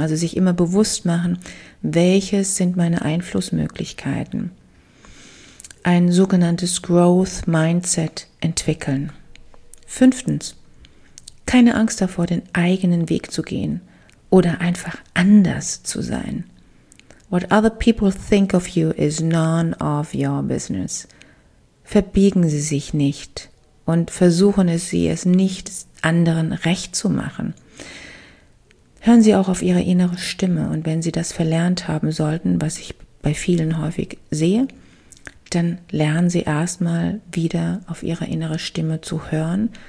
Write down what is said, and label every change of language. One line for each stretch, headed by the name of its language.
German: Also sich immer bewusst machen, welches sind meine Einflussmöglichkeiten. Ein sogenanntes Growth Mindset entwickeln. Fünftens, keine Angst davor, den eigenen Weg zu gehen oder einfach anders zu sein.
English: What other people think of you is none of your business.
German: Verbiegen Sie sich nicht und versuchen es nicht anderen recht zu machen. Hören Sie auch auf Ihre innere Stimme und wenn Sie das verlernt haben sollten, was ich bei vielen häufig sehe, dann lernen Sie erstmal wieder auf Ihre innere Stimme zu hören.